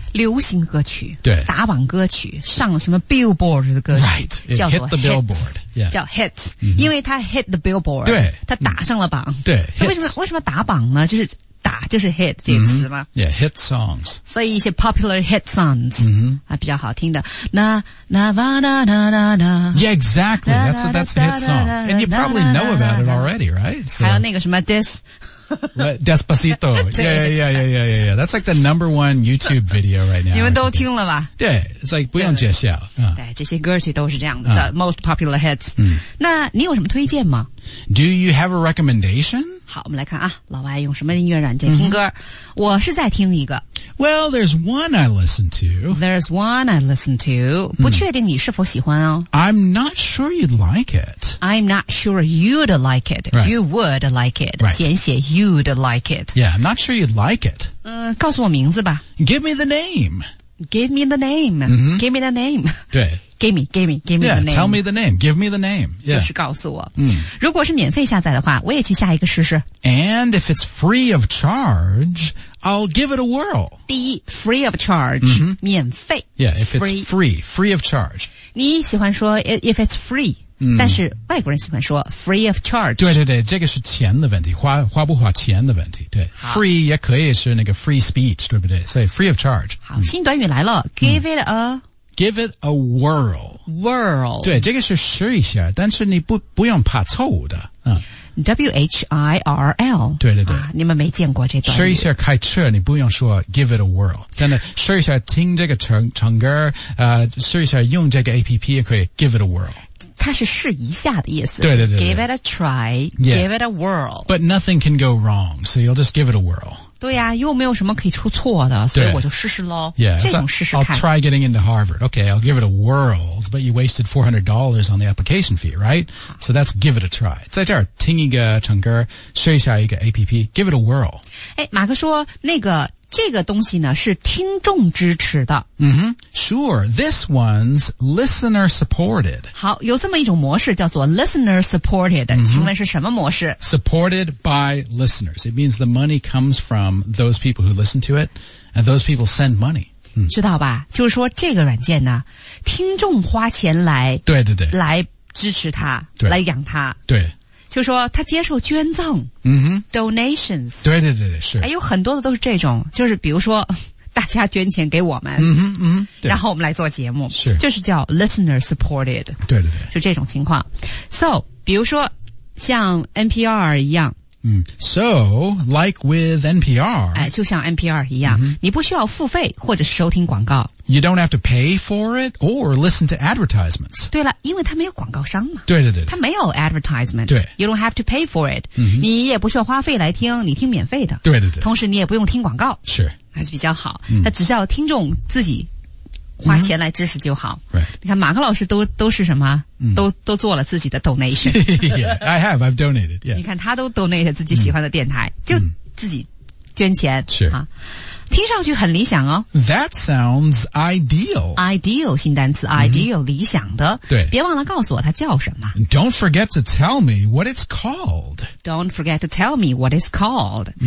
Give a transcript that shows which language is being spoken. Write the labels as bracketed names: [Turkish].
[Chinese] 流行歌曲。对。打榜歌曲。上什么 billboard 的歌曲。 [English] Right. It hit the billboard. Yeah. [Chinese] 叫 [English] hits、 [Chinese] 因为它 [English] hit the billboard [Chinese] 对它打上了榜对为什么打榜呢就是打就是 hit 这个词吗、 [English] yeah, hit songs [Chinese] 所以一些 [English] popular hit songs、 [Chinese] 比较好听的 [English] yeah exactly that's a hit song and you probably know about it already right、 [Chinese] so. 还有那个什么 this [English] Despacito. Yeah. That's like the number one YouTube video right now. [Chinese] 你们都听了吧？对 ， [English] It's like [Chinese] 不用介绍。对，这些歌曲都是这样的 ， [English] most popular hits。 [Chinese] 那你有什么推荐吗 [English] ？Do you have a recommendation？ [Chinese] 好，我们来看啊，老外用什么音乐软件听歌？我是在听一个。 [English] Well, there's one I listen to. There's one I listen to. [Chinese] 不确定你是否喜欢哦。 [English] I'm not sure you'd like it. I'm not sure you'd like it. Right. You would like it. Right. [Chinese] 简写 [English] you'd like it. Yeah, I'm not sure you'd like it. [Chinese] 告诉我名字吧。 [English] Give me the name. Give me the name. Give me the name. [Chinese] 对。 [English] Give me the name. Yeah, tell me the name. Give me the name. Yeah. [Chinese] 就是告诉我。如果是免费下载的话，我也去下一个试试。 [English] And if it's free of charge, I'll give it a whirl. [Chinese] 第一 [English] ,free of charge, [Chinese] 免费。 [English] Yeah, if it's free of charge. [Chinese] 你喜欢说 [English] if it's free, [Chinese] 但是外国人喜欢说 [English] free of charge. [Chinese] 对这个是钱的问题 花不花钱的问题。对 ,free 也可以是那个 free speech, 对不对所以 [English] free of charge. [Chinese] 好新短语来了 , [English] give it a... Give it a whirl. Whirl. [Chinese] 对这个是试一下但是你不用怕错误的。 [English] W-H-I-R-L. [Chinese] 对、啊。你们没见过这段语。试一下开车你不用说 [English] give it a whirl. [Chinese] 真的试一下听这个 唱歌试一下用这个 APP 也可以 give it a whirl. 它是试一下的意思。对。 [English] Give it a try,、 yeah. give it a whirl. But nothing can go wrong, so you'll just give it a whirl. [Chinese] 对呀、啊、又没有什么可以出错的所以我就试试咯。 [English] Yeah, [Chinese] 这种试试看。 [English] I'll try getting into Harvard. Okay, I'll give it a whirl, but you wasted $400 on the application fee, right? So that's give it a try. [Chinese] 在这儿听一个唱歌试一下一个 [English] APP, give it a whirl. [Chinese] 诶马克说那个这个东西呢是听众支持的。 [English] Sure, this one's listener supported. [Chinese] 好有这么一种模式叫做 [English] listener supported, [Chinese] 请问是什么模式 [English] ?Supported by listeners. It means the money comes from those people who listen to it, and those people send money. [Chinese] 知道吧就是说这个软件呢听众花钱来对来支持它来养它。对。就说他接受捐赠,donations. 对是。有很多的都是这种就是比如说大家捐钱给我们然后我们来做节目。是。就是叫 listener supported. 对。就这种情况。So, 比如说像 NPR 一样。 [English] So, like with NPR. [Chinese] 就像 NPR 一样你不需要付费或者收听广告。 [English] You don't have to pay for it or listen to advertisements. [Chinese] 对了因为它没有广告商嘛。对。它没有 advertisement. 对。 [English] You don't have to pay for it. [Chinese] 你也不需要花费来听你听免费的。对。同时你也不用听广告。是。还是比较好。它只需要听众自己花钱来支持就好。 [English] Right. [Chinese] 你看马克老师都是什么都做了自己的 donation. [English] yeah, I have, I've donated, yeah. [Chinese] 你看他都 donate 自己喜欢的电台就自己捐钱。是。啊听上去很理想哦。 [English] That sounds ideal. [Chinese] Ideal, 新单词 ,ideal, 理想的。对。别忘了告诉我它叫什么。 [English] Don't forget to tell me what it's called. Don't forget to tell me what it's called.